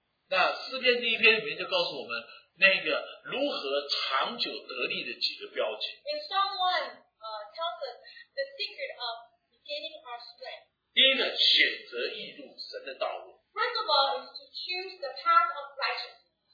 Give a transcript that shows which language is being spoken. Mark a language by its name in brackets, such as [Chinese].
[Chinese] 那诗篇第一篇里面就告诉我们那个如何长久得力的几个标记。 [English] In Psalm 1, tells us the secret of gaining our strength. [Chinese] 第一个，选择义路，神的道路。 [English] First of all, is to choose the path of righteousness.